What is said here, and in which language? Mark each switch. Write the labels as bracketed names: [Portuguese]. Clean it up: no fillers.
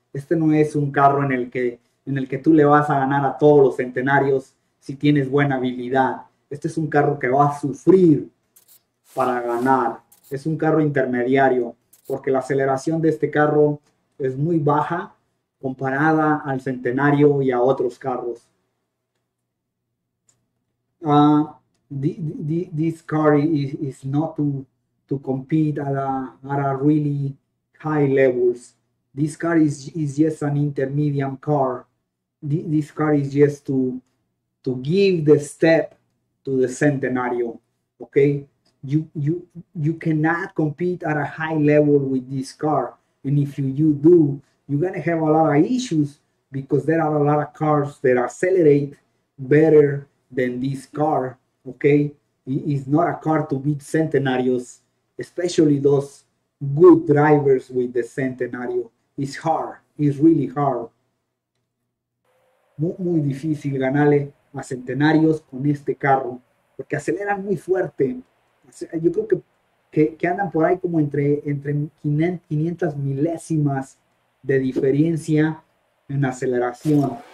[Spanish] Este no es un carro en el que tú le vas a ganar a todos los centenarios si tienes buena habilidad. Este es un carro que va a sufrir para ganar. Es un carro intermediario porque la aceleración de este carro es muy baja comparada al centenario y a otros carros. [English] This car is not to compete at a really high levels. This car is just an intermediate car. This car is just to give the step to the centenario. Okay? You cannot compete at a high level with this car. And if you do, you're gonna have a lot of issues because there are a lot of cars that accelerate better than this car. Okay? It's not a car to beat centenarios, especially those good drivers with the centenario. It's hard, it's really hard. [Spanish] Muy, muy difícil ganarle a centenarios con este carro, porque aceleran muy fuerte. Yo creo que andan por ahí como entre 500 milésimas de diferencia en aceleración.